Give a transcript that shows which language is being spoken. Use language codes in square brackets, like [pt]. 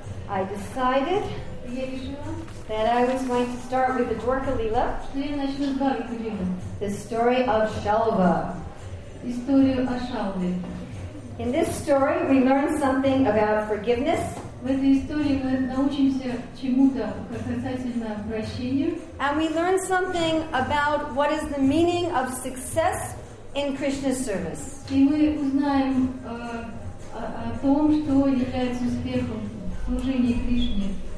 [en] I decided that I was going to start with the Dwarka Lila, the story of Shalva. In this story, we learn something about forgiveness. [ru] В этой истории мы научимся чему-то касательно прощения. [en] And we learn something about what is the meaning of success in Krishna's service. [ru] И мы узнаем о том, что является успехом в служении Кришне.